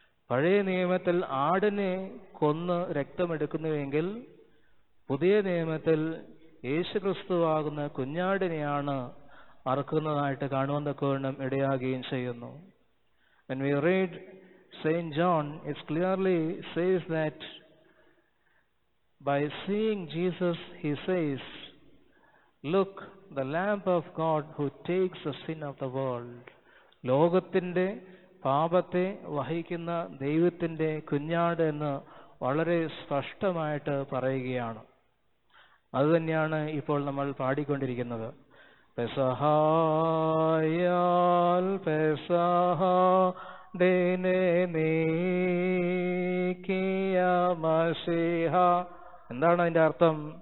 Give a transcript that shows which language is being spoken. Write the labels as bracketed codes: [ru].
[ml] പഴയ നിയമത്തിൽ ആടിനെ കൊന്ന് രക്തം എടുക്കുന്നുവെങ്കിൽ, പുതിയ നിയമത്തിൽ യേശുക്രിസ്തുവാകുന്ന കുഞ്ഞാടിനെയാണ് അറുക്കുന്നതായിട്ട് കാണുവാൻ തക്കവണ്ണം ഇടയാകുകയും ചെയ്യുന്നു. [en] When we read Saint John, it clearly says that by seeing Jesus, he says, look, the Lamb of God who takes the sin of the world. [ml] ലോകത്തിന്റെ പാപത്തെ വഹിക്കുന്ന ദൈവത്തിന്റെ കുഞ്ഞാട് എന്ന് വളരെ സ്പഷ്ടമായിട്ട് പറയുകയാണ്. അതുതന്നെയാണ് ഇപ്പോൾ നമ്മൾ പാടിക്കൊണ്ടിരിക്കുന്നത്. പെസഹായാൽ പെസഹാടേനെ നീക്കിയ മസീഹ, എന്താണ് അതിൻ്റെ അർത്ഥം?